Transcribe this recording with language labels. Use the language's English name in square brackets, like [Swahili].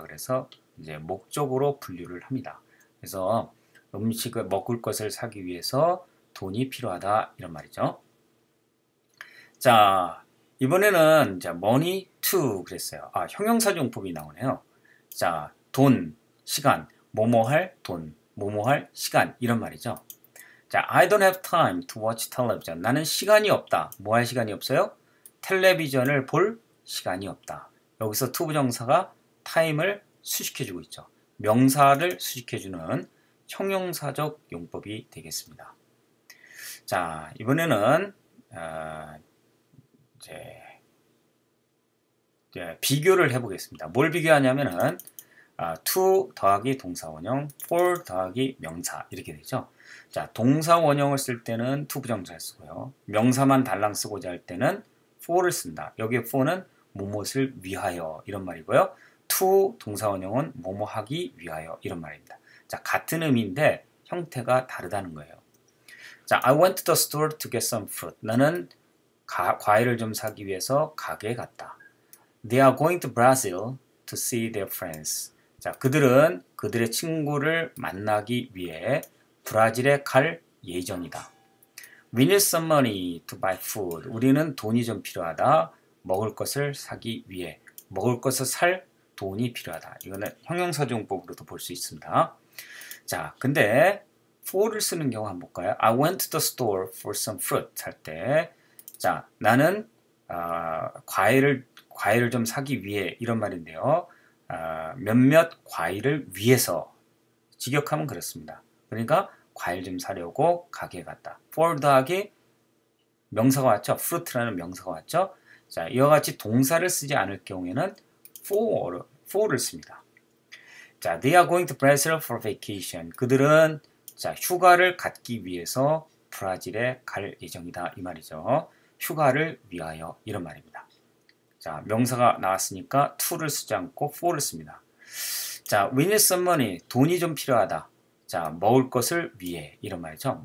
[Korean] 그래서 이제 목적으로 분류를 합니다. 그래서 음식을 먹을 것을 사기 위해서 돈이 필요하다, 이런 말이죠. 자, 이번에는 자, money to 그랬어요. 아, 형용사 용법이 나오네요. 자, 돈, 시간, 뭐뭐 할 돈, 뭐뭐 할 시간, 이런 말이죠. [English] 자, I don't have time to watch television. [Korean] 나는 시간이 없다. 뭐할 시간이 없어요? 텔레비전을 볼 시간이 없다. 여기서 to 부정사가 time을 수식해주고 있죠. 명사를 수식해주는 형용사적 용법이 되겠습니다. 자, 이번에는 이제 비교를 해보겠습니다. 뭘 비교하냐면은 to 더하기 동사 원형, for 더하기 명사 이렇게 되죠. 자, 동사 원형을 쓸 때는 to 부정사 쓰고요. 명사만 달랑 쓰고자 할 때는 for를 쓴다. 여기에 for는 무엇을 위하여 이런 말이고요. to 동사 원형은 뭐뭐 하기 위하여 이런 말입니다. 자, 같은 의미인데 형태가 다르다는 거예요. [English] 자, I went to the store to get some fruit. [Korean] 나는 과일을 좀 사기 위해서 가게에 갔다. [English] They are going to Brazil to see their friends. [Korean] 자, 그들은 그들의 친구를 만나기 위해 브라질에 갈 예정이다. [English] We need some money to buy food. [Korean] 우리는 돈이 좀 필요하다. 먹을 것을 사기 위해. 먹을 것을 살 돈이 필요하다. 이거는 형용사용법으로도 볼수 있습니다. 자, 근데 for를 쓰는 경우 한번 볼까요? [English] I went to the store for some fruit [Korean] 할 때, 자, 나는 과일을 좀 사기 위해 이런 말인데요. 몇몇 과일을 위해서 직역하면 그렇습니다. 그러니까 과일 좀 사려고 가게에 갔다. for 더하기 명사가 왔죠? fruit라는 명사가 왔죠? 자, 이와 같이 동사를 쓰지 않을 경우에는 for를 씁니다. [English] 자, they are going to Brazil for vacation. [Korean] 그들은 자, 휴가를 갖기 위해서 브라질에 갈 예정이다. 이 말이죠. 휴가를 위하여. 이런 말입니다. 자, 명사가 나왔으니까 to를 쓰지 않고 for를 씁니다. 자, [English] we need some money. [Korean] 돈이 좀 필요하다. 자, 먹을 것을 위해. 이런 말이죠.